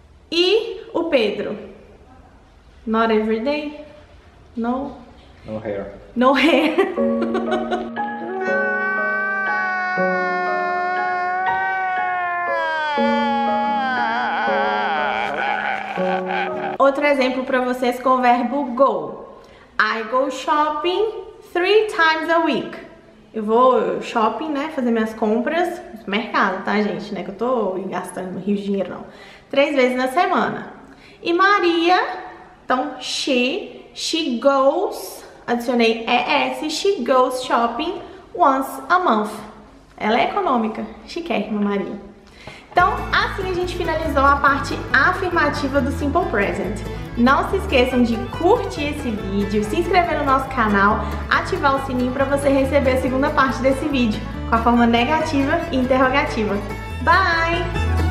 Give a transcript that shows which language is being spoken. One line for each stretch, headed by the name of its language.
Portuguese: E o Pedro?
English: Not every day. No? No hair. No hair.
Portuguese: Outro exemplo para vocês com o verbo go.
English: I go shopping 3 times a week.
Portuguese: Eu vou shopping, né? Fazer minhas compras. Mercado, tá, gente? Não é que eu tô gastando um rio de dinheiro, não. 3 vezes na semana. E Maria, então,
English: she goes,
Portuguese: adicionei ES,
English: she goes shopping once a month.
Portuguese: Ela é econômica, chiquérrima, Maria. Então, assim a gente finalizou a parte afirmativa do Simple Present. Não se esqueçam de curtir esse vídeo, se inscrever no nosso canal, ativar o sininho para você receber a segunda parte desse vídeo, com a forma negativa e interrogativa. Bye!